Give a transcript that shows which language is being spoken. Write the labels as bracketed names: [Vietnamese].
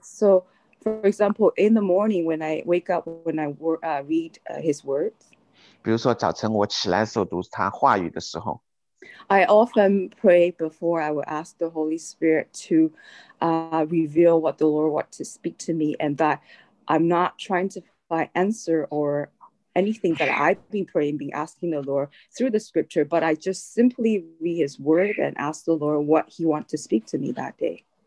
[English] So, for example, in the morning when I wake up, when I read His words. [Chinese] 比如说早晨我起来的时候读他话语的时候。 [English] I often pray before I will ask the Holy Spirit to reveal what the Lord wants to speak to me, and that I'm not trying to. By answer or anything that I've been praying, been asking the Lord through the scripture, but I just simply read His word and ask the Lord what He wants to speak to me that day.